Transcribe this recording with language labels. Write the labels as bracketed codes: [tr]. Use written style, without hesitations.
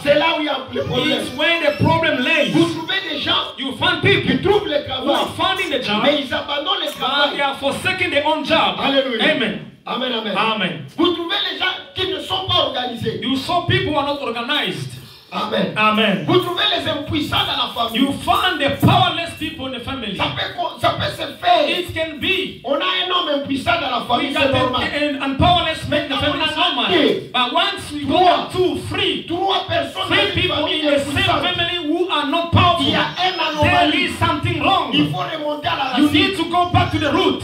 [fr] c'est là où il y a le problème. [en] It's where the problem lies. [fr] Vous trouvez des gens, [en] you find people, [fr] qui trouvent le travail, [en] who are finding the job, [fr] mais ils abandonnent le travail. [en] But they are forsaking their own job. Alléluia. Amen. Amen, amen. Amen. [fr] Vous trouvez les gens qui ne sont pas organisés. [en] You saw people who are not organized. Amen. Amen. [fr] Vous trouvez les impuissants dans la famille. [en] You find the powerless people in the family. [fr] Ça peut se faire. [en] It can be. [fr] On a un homme impuissant dans la famille, c'est normal. [en] And powerless men in the family is normal. But once we go to free, [fr] trois personnes [en] three people in the same family who are not powerful, [fr] il y a un anomalie. [en] There is something wrong. [fr] Il faut remonter à la racine. [en] You need to go back to the root.